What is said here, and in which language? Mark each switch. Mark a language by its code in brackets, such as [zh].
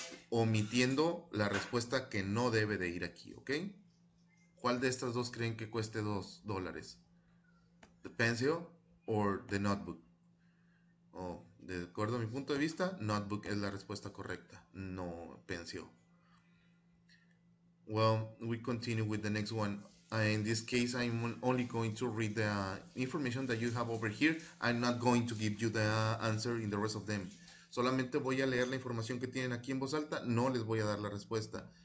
[es] Omitiendo la respuesta que no debe de ir aquí, ¿ok? ¿Cuál de estas dos creen que cueste $2? [en] ¿The pencil [es] o [en] the notebook? [es] Oh, de acuerdo a mi punto de vista, notebook es la respuesta correcta, no pensó. [en] Well, we continue with the next one. In this case, I'm only going to read the information that you have over here. I'm not going to give you the answer in the rest of them. [es] Solamente voy a leer la información que tienen aquí en voz alta, no les voy a dar la respuesta.